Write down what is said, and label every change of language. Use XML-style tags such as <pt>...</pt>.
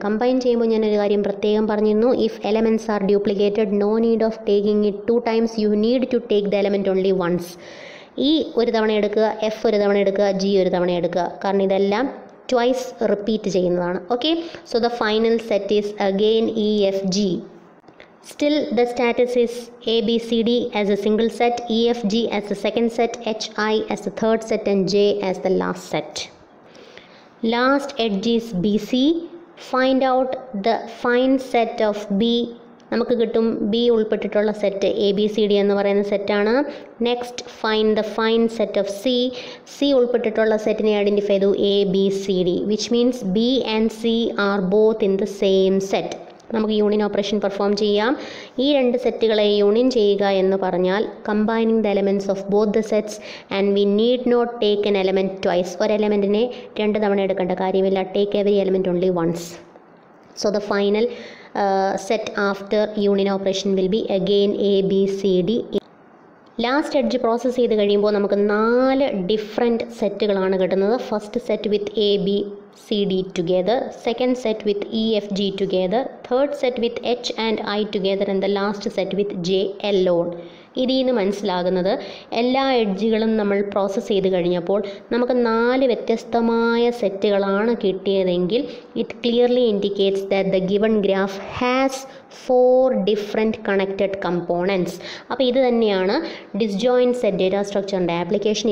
<ml>Combine ചെയ്യുമ്പോൾ ഞാനൊരു കാര്യം പ്രത്യേകം പറഞ്ഞിരുന്നു,</ml> <en>If elements are duplicated no need of taking it two times, you need to take the element only once.</en> <ml>ഈ ഒരു തവണ എടുക്കുക, എഫ് ഒരു തവണ എടുക്കുക, ജി ഒരു തവണ എടുക്കുക, കാരണം ഇതെല്ലാം ട്വൈസ് റിപ്പീറ്റ് ചെയ്യുന്നതാണ്.</ml> <en>Okay, so the final set is again E F G. Still, the status is ABCD as a single set, EFG as the second set, HI as the third set, and J as the last set. Last edge is BC. Find out the fine set of B.</en> <ml>നമുക്ക് കിട്ടും B ഉൾപ്പെട്ടിട്ടുള്ള set ABCD എന്ന് പറയുന്ന സെറ്റാണ്.</ml> <en>Next, find the fine set of C. C</en> <ml>ഉൾപ്പെട്ടിട്ടുള്ള സെറ്റിനെ identify ചെയ്തു</ml> <en>ABCD, which means B and C are both in the same set.</en> <ml>നമുക്ക് യൂണിയൻ ഓപ്പറേഷൻ പെർഫോം ചെയ്യാം. ഈ രണ്ട് സെറ്റുകളെ യൂണിയൻ ചെയ്യുക എന്ന് പറഞ്ഞാൽ</ml> <en>Combining the elements of both the sets and we need not take an element twice.</en> <ml>ഒരു എലമെൻറ്റിനെ രണ്ട് തവണ എടുക്കേണ്ട കാര്യമില്ല,</ml> <en>Take every element only once. So the final set after union operation will be again ABCD.</en> <ml>Last edge process ചെയ്ത് കഴിയുമ്പോൾ നമുക്ക് നാല് different സെറ്റുകളാണ് കിട്ടുന്നത്.</ml> <en>First set with ABCD together, second set with EFG together, third set with H and I together, and the last set with J alone.</en> <ml>ഇതിന്ന് മനസ്സിലാകുന്നത് എല്ലാ എഡ്ജുകളും നമ്മൾ process ചെയ്ത് കഴിഞ്ഞപ്പോൾ നമുക്ക് നാല് വ്യത്യസ്തമായ സെറ്റുകളാണ് കിട്ടിയതെങ്കിൽ</ml> <en>It clearly indicates that the given graph has four different connected components.</en> <ml>അപ്പോൾ ഇത് തന്നെയാണ് ഡിസ്ജോയിൻ്റ് സെറ്റ് ഡേറ്റാ സ്ട്രക്ചറിൻ്റെ ആപ്ലിക്കേഷൻ.</ml>